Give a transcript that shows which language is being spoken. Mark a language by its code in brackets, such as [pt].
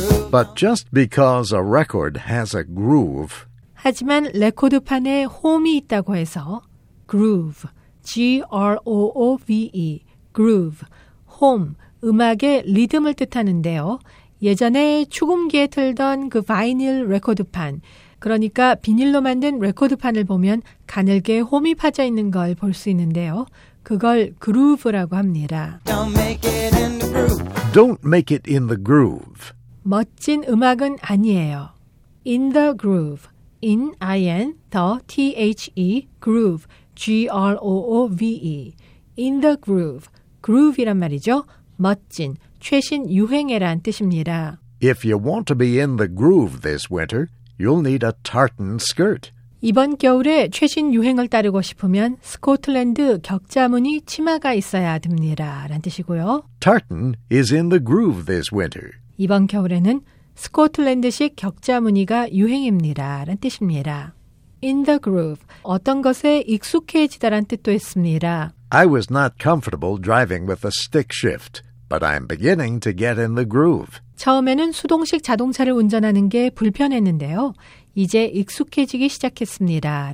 [en] But just because a record has a groove. [ko] 하지만 레코드판에 홈이 있다고 해서 groove. [en] G-R-O-O-V-E, groove, home, [ko] 음악의 리듬을 뜻하는데요. 예전에 축음기에 틀던 그 바이닐 레코드판, 그러니까 비닐로 만든 레코드판을 보면 가늘게 홈이 파져 있는 걸 볼 수 있는데요. 그걸 groove라고 합니다. [en] Don't make it in the groove. Don't make it in the groove. [ko] 멋진 음악은 아니에요. [en] In the groove, in, I-N, the, T-H-E, groove, G-R-O-O-V-E, in the groove, groove이란 말이죠. [ko] 멋진, 최신 유행에란 뜻입니다. [en] If you want to be in the groove this winter, you'll need a tartan skirt. [ko] 이번 겨울에 최신 유행을 따르고 싶으면 스코틀랜드 격자무늬 치마가 있어야 됩니다. 라는 뜻이고요. [en] Tartan is in the groove this winter. [ko] 이번 겨울에는 스코틀랜드식 격자무늬가 유행입니다. 라는 뜻입니다. [en] In the groove. [ko] 어떤 것에 익숙해지다란 뜻도 있습니다. [en] I was not comfortable driving with a stick shift, but I'm beginning to get in the groove. [ko] 처음에는 수동식 자동차를 운전하는 게 불편했는데요. 이제 익숙해지기 시작했습니다.